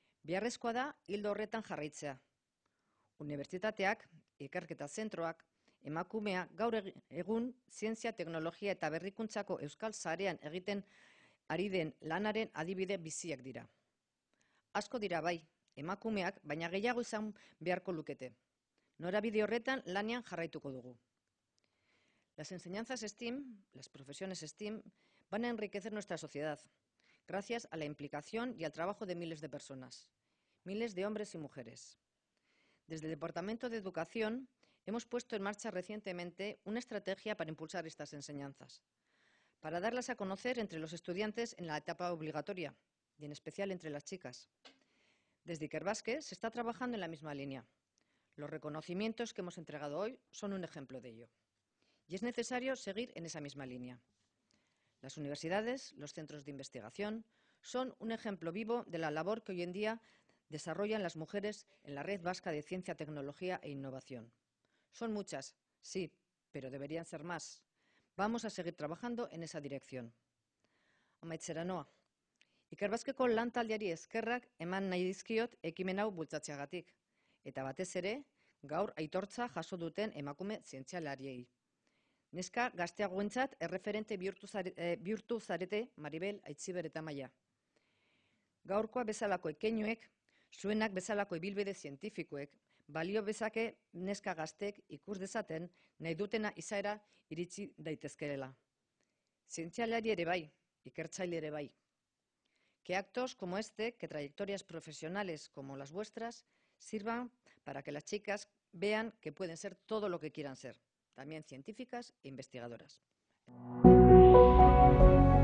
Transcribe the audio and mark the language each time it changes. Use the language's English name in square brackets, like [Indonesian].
[Basque] Beharrezkoa da hildo horretan jarraitzea. Unibertsitateak, ikerketa zentroak, emakumea gaur egun zientzia, teknologia eta berrikuntzako euskal sarean egiten ari den lanaren adibide biziak dira. Asko dira bai, emakumeak, baina gehiago izan beharko lukete. Norabide horretan lanean jarraituko dugu. [Spanish] Las enseñanzas STEAM, las profesiones STEAM, van a enriquecer nuestra sociedad, gracias a la implicación y al trabajo de miles de personas, miles de hombres y mujeres. Desde el Departamento de Educación hemos puesto en marcha recientemente una estrategia para impulsar estas enseñanzas, para darlas a conocer entre los estudiantes en la etapa obligatoria y en especial entre las chicas. Desde Ikerbaske se está trabajando en la misma línea. Los reconocimientos que hemos entregado hoy son un ejemplo de ello. Y es necesario seguir en esa misma línea. Las universidades, los centros de investigación, son un ejemplo vivo de la labor que hoy en día desarrollan las mujeres en la Red Vasca de Ciencia, Tecnología e Innovación. Son muchas, sí, pero deberían ser más. Vamos a seguir trabajando en esa dirección. [Basque] Amaitzera noa. Ikerbaskeko lantaldiari eskerrak eman nahi dizkiot ekimen hau bultzatzeagatik. Eta batez ere, gaur aitortza jaso duten emakume zientzialariei. Neska gazteagoentzat erreferente bihurtu zarete Maribel, Aitziber eta Maia. Gaurkoa bezalako ekeinuek, zuenak bezalako ibilbide zientifikoek, balio bezake neska gaztek ikus dezaten nahi dutena izaera iritsi daitezkerela. Zientzialari ere bai, ikertzaile ere bai. [Spanish] Que actos como este, que trayectorias profesionales como las vuestras, sirvan para que las chicas vean que pueden ser todo lo que quieran ser. También científicas e investigadoras.